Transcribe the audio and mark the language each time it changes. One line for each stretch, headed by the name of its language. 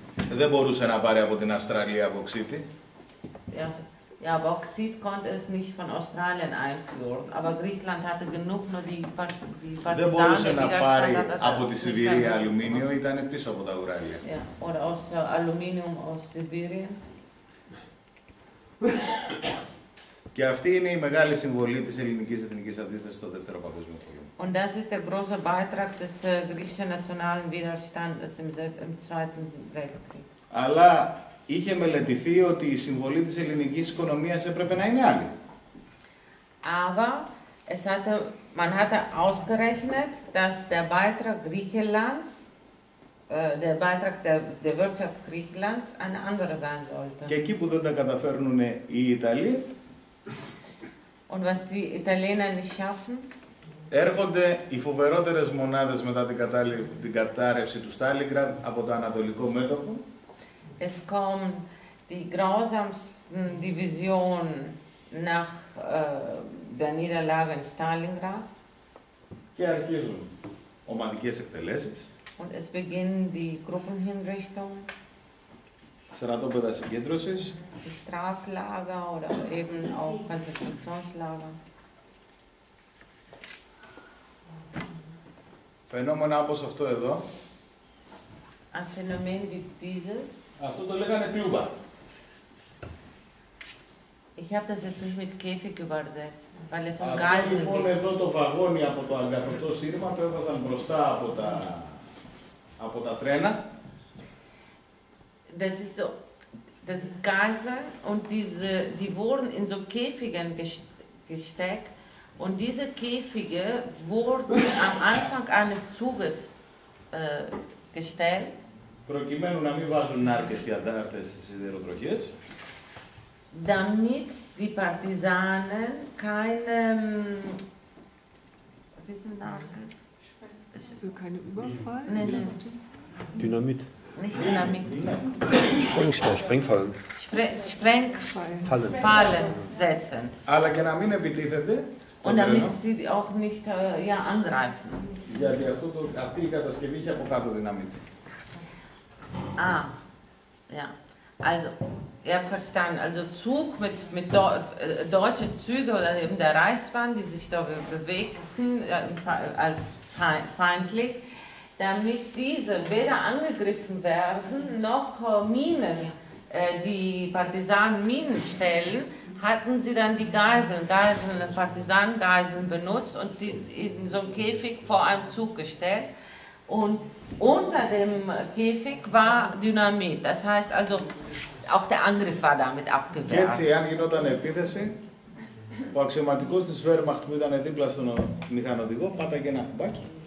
Greek: Δεν μπορούσε να πάρει από την Αυστραλία Bauxite.
German: Ja, Bauxit konnte es nicht von Australien einführen, aber Griechenland hatte genug, nur die Partisanen.
Greek: Δεν μπορούσε να πάρει από τη Σιβηρία αλουμίνιο, ήταν πίσω από τα Ουράλια.
German: Ja, oder aus Aluminium aus Sibirien.
Greek: Και αυτή είναι η μεγάλη συμβολή της ελληνικής εθνικής αντίστασης στο Δεύτερο Παγκόσμιο Πόλεμο.
German: Und das ist der große Beitrag des griechischen nationalen Widerstandes im Zweiten Weltkrieg.
Greek: Αλλά είχε μελετηθεί ότι η συμβολή της ελληνικής οικονομίας έπρεπε να είναι άλλη.
German: Aber es hatte, man hatte ausgerechnet, dass der Beitrag Griechenlands der Beitrag der Wirtschaft Griechenlands ein anderer sein sollte.
Greek: Και εκεί που δεν τα καταφέρνουν οι Ιταλοί.
German: Und was die Italiener nicht schaffen.
Greek: Έρχονται οι φοβερότερες μονάδες μετά την κατάρρευση του Στάλιγκραντ από το ανατολικό μέτωπο.
German: Es kommen die grausamsten Divisionen nach der Niederlage in Stalingrad.
Greek: Και αρχίζουν ομαδικές εκτελέσεις.
German: Und es beginnen die Gruppenhinrichtungen.
Greek: Στρατόπεδα συγκέντρωσης.
German: Die Straflager oder eben auch Konzentrationslager.
Greek: Φαινόμενα όπως αυτό εδώ.
German: Ein Phänomen wie dieses.
Greek: Αυτό το λέγανε πλούβα.
German: Ich habe das jetzt nicht mit Käfig übersetzt, weil es um Geiseln geht.
Greek: Λοιπόν, εδώ το βαγόνι από το αγκαθωτό σύρμα το έβαζαν μπροστά από τα τρένα.
German: Das ist so, das sind Geiseln und diese, die wurden in so Käfigen gesteckt und diese Käfige wurden am Anfang eines Zuges gestellt.
Greek: Προκειμένου να μην βάζουν νάρκες οι αντάρτες στις σιδηροτροχές.
German: Damit die Partisanen keine... Was sind Narkes? Also keine Überfall? Nein, nein. Dynamit. Nicht Dynamit. Sprengstoff, Sprengfallen. Sprengfallen. Fallen setzen. Aber
Greek: και να μην επιτίθεται.
German: Und damit sie auch nicht angreifen.
Greek: Γιατί αυτή η κατασκευή είχε από κάτω δυναμίτ.
German: Ah, ja. Also, ihr habt verstanden. Also, Zug mit deutschen Zügen oder eben der Reichsbahn, die sich da bewegten als feindlich. Damit diese weder angegriffen werden, noch Minen, die Partisanen Minen stellen, hatten sie dann die Geiseln, Partisanengeiseln benutzt und die in so einem Käfig vor einem Zug gestellt. Und unter dem Käfig war Dynamit, das heißt also, auch der Angriff war damit abgewehrt.
Greek: Έτσι, αν γινόταν επίθεση, ο αξιωματικός της Wehrmacht που ήταν δίπλα στον μηχανοδηγό, πάταγε ένα κουμπάκι.